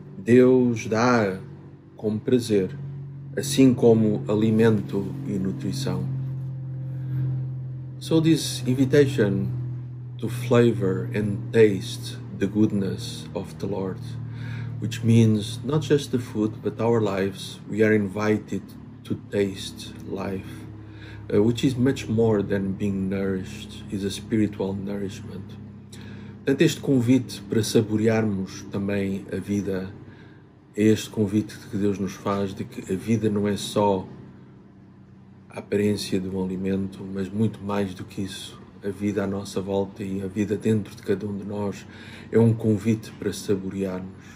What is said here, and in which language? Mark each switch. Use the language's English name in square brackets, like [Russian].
[Portuguese] Deus dá-a com prazer, assim como alimento e nutrição. [English] So this invitation to flavor and taste the goodness of the Lord, which means not just the food, but our lives, we are invited to taste life, which is much more than being nourished, is a spiritual nourishment. [Portuguese] Portanto, este convite para saborearmos também a vida, é este convite que Deus nos faz, de que a vida não é só a aparência de um alimento, mas muito mais do que isso, a vida à nossa volta e a vida dentro de cada um de nós é um convite para saborearmos.